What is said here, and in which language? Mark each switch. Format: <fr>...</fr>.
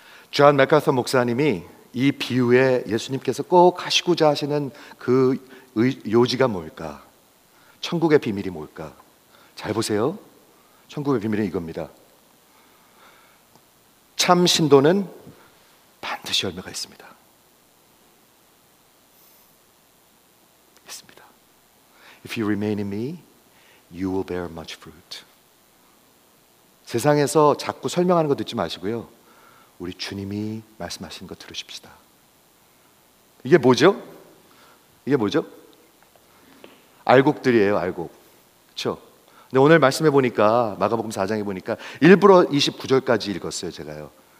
<ko>존 맥아서 목사님이 이 비유에 예수님께서 꼭 하시고자 하시는 그 요지가 뭘까? 천국의 비밀이 뭘까? 잘 보세요. 천국의 비밀은 이겁니다. 참 신도는 반드시 열매가 있습니다. 있습니다.</ko> <en>If you remain in me, you will bear much fruit.</en> <ko>세상에서 자꾸 설명하는 거 듣지 마시고요. 우리 주님이 말씀하시는 거 들으십시다. 이게 뭐죠? 알곡들이에요, 알곡. 그렇죠? 근데 오늘 말씀해 보니까 마가복음 4장에 보니까 일부러 29절까지 읽었어요, 제가요.</ko>